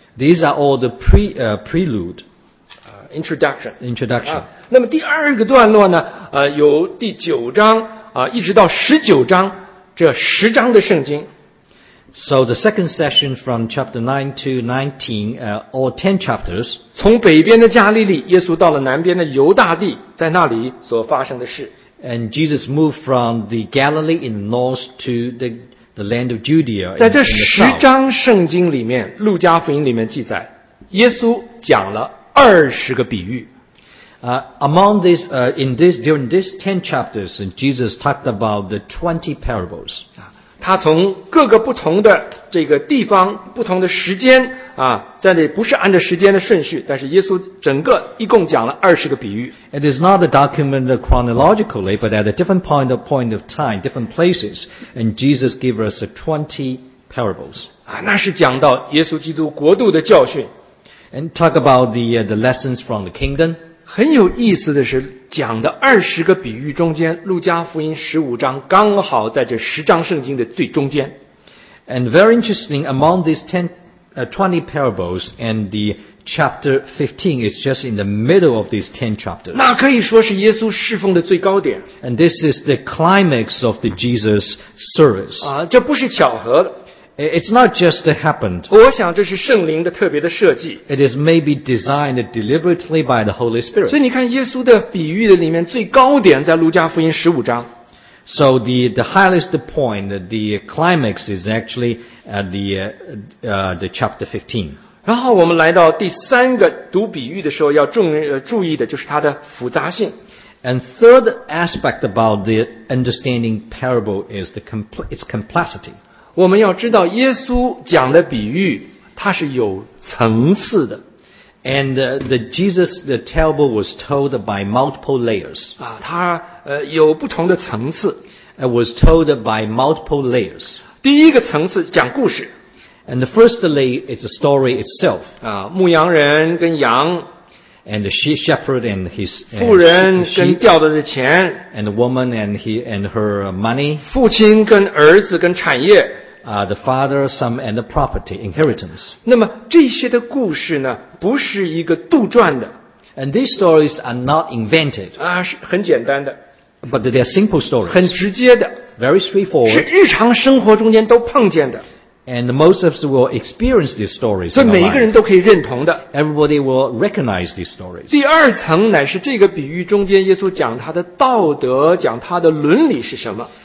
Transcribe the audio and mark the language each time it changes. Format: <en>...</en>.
<en>These are all the prelude, introduction.、啊、</en> <zh>那么第二个段落呢？有第九章啊，一直到十九章，这十章的圣经。</zh> <en>So the second session from chapter 9 to 19, all 10 chapters,</en> <zh>从北边的加利利，耶稣到了南边的犹大地，在那里所发生的事。</zh> <en>And Jesus moved from the Galilee in the north to the land of Judea.</en> <zh>在这十章圣经里面，路加福音里面记载，耶稣讲了二十个比喻。</zh> <en>Among this, during these 10 chapters, Jesus talked about the 20 parables.</en> <zh>他从各个不同的这个地方、不同的时间啊，在那不是按照时间的顺序，但是耶稣整个一共讲了二十个比喻。</zh> <en>It is not documented chronologically, but at a different point of time, different places, and Jesus gave us 20 parables.</en> <zh>啊，那是讲到耶稣基督国度的教训。</zh> <en>And talk about the lessons from the kingdom.</en> <zh>很有意思的是，讲的二十个比喻中间，路加福音十五章刚好在这十章圣经的最中间。</zh> <en>And very interesting, among these twenty parables and the chapter 15 is just in the middle of these 10 chapters.</en> <zh>那可以说是耶稣侍奉的最高点。</zh> <en>And this is the climax of the Jesus service.</en> <zh>啊，这不是巧合的。</zh> <en>It's not just happened.</en> <zh>我想这是圣灵的特别的设计。</zh> <en>It is maybe designed deliberately by the Holy Spirit.</en> <zh>所以你看耶稣的比喻的里面最高点在路加福音十五章。</zh> <en>So the highest point, the climax is actually at the chapter 15.</en> <zh>然后我们来到第三个读比喻的时候要注意的就是它的复杂性。</zh> <en>And third aspect about the understanding parable is its complexity.</en> <zh>我们要知道耶稣讲的比喻它是有层次的。</zh> <en>And the parable was told by multiple layers.</en> <zh>啊，它有不同的层次。</zh> <en>It was told by multiple layers.</en> <zh>第一个层次讲故事。</zh> <en>And the first layer is the story itself.</en> <zh>啊，牧羊人跟羊。</zh> <en>And the shepherd and his</en> <zh>妇人跟掉的钱</zh> <en>and the woman and he and her money</en> <zh>父亲跟儿子跟产业</zh> <en>the father some and the property inheritance</en> <zh>那么这些的故事呢不是一个杜撰的</zh> <en>and these stories are not invented</en> <zh>啊是很简单的</zh> <en>but they are simple stories</en> <zh>很直接的</zh> <en>very straightforward</en> <zh>是日常生活中间都碰见的。</zh> <en>And most of us will experience these stories.</en> <zh>所以每一个人都可以认同的。</zh> <en>Everybody will recognize these stories.</en> <zh>第二层乃是这个比喻中间耶稣讲他的道德讲他的伦理是什么。</zh>